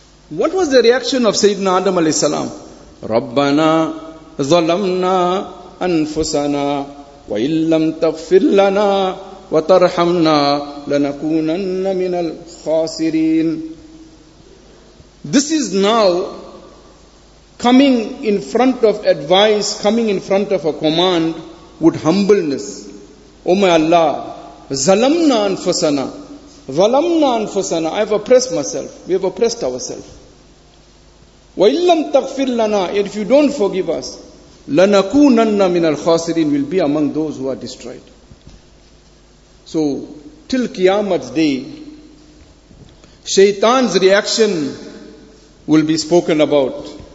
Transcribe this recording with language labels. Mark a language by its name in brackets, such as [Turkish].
[English] What was the reaction of Sayyidina Adam alayhi salam? [Arabic] Rabbana zalamna anfusana wa illam taghfir lana وَتَرْحَمْنَا لَنَكُونَنَّ مِنَ الْخَاسِرِينَ. [English] This is now coming in front of advice, coming in front of a command with humbleness. Oh my Allah, [Arabic] ظَلَمْنَا أَنفُسَنَا ظَلَمْنَا أَنفُسَنَا. [English] I have oppressed myself. We have oppressed ourselves. [Arabic] وَإِلَّمْ تَغْفِرْ لَنَا. [English] If you don't forgive us, [Arabic] لَنَكُونَنَّ مِنَ الْخَاسِرِينَ. [English] We'll be among those who are destroyed. So, till Qiyamah's day, Shaitan's reaction will be spoken about.